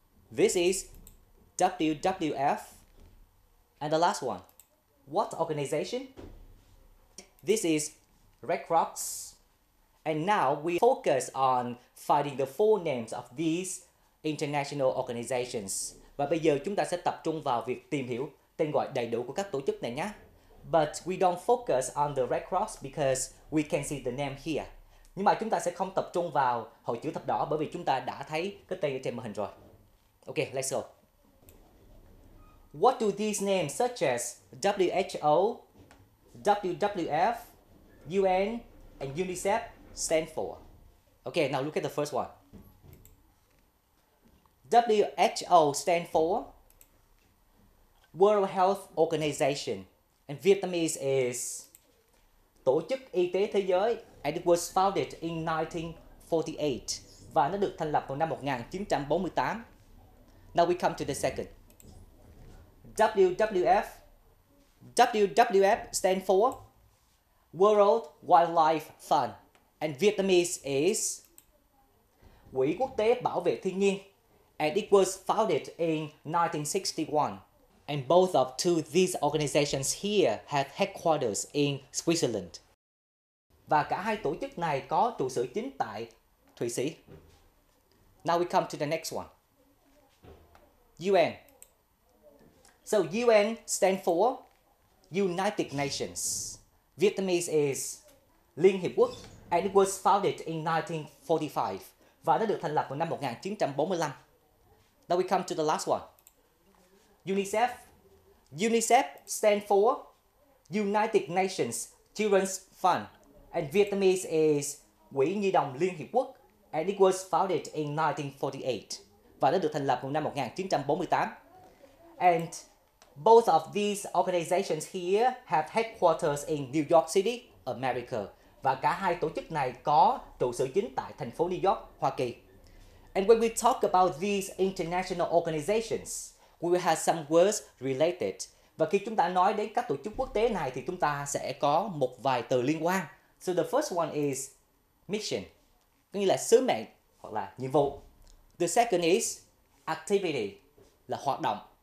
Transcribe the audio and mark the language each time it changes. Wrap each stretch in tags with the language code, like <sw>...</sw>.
<en>This is WWF. And the last one. What organization? This is Red Cross. And now we focus on finding the full names of these international organizations.</en> <vi>Và bây giờ chúng ta sẽ tập trung vào việc tìm hiểu tên gọi đầy đủ của các tổ chức này nhé.</vi> <en>But we don't focus on the Red Cross because we can see the name here.</en> <vi>Nhưng mà chúng ta sẽ không tập trung vào hội chữ thập đỏ bởi vì chúng ta đã thấy cái tên ở trên màn hình rồi.</vi> <en>Ok, let's go. What do these names such as WHO, WWF, UN, and UNICEF stand for? Ok, now look at the first one. WHO stand for World Health Organization. And Vietnamese is</en> <vi>Tổ chức Y tế Thế giới.</vi> <en>And it was founded in 1948.</en> <vi>Và nó được thành lập vào năm 1948.</vi> <en>Now we come to the second. WWF. WWF stand for World Wildlife Fund. And Vietnamese is</en> <vi>Quỹ Quốc tế Bảo vệ Thiên nhiên.</vi> <en>And it was founded in 1961. And both of two these organizations here have headquarters in Switzerland.</en> <vi>Và cả hai tổ chức này có trụ sở chính tại Thụy Sĩ.</vi> <en>Now we come to the next one. UN. So UN stands for United Nations. Vietnamese is Liên Hiệp Quốc. And it was founded in 1945.</en> <vi>Và nó được thành lập vào năm 1945.</vi> <en>Now we come to the last one. UNICEF. UNICEF stands for United Nations Children's Fund. And Vietnamese is Quỹ Nhi đồng Liên Hiệp Quốc. And it was founded in 1948.</en> <vi>Và nó được thành lập vào năm 1948.</vi> <en>And both of these organizations here have headquarters in New York City, America.</en> <vi>Và cả hai tổ chức này có trụ sở chính tại thành phố New York, Hoa Kỳ.</vi> <en>And when we talk about these international organizations, we will have some words related.</en> <vi>Và khi chúng ta nói đến các tổ chức quốc tế này thì chúng ta sẽ có một vài từ liên quan.</vi> <en>So the first one is mission,</en> <vi>có nghĩa là sứ mệnh hoặc là nhiệm vụ.</vi> <en>The second is activity,</en> <vi>là hoạt động.</vi>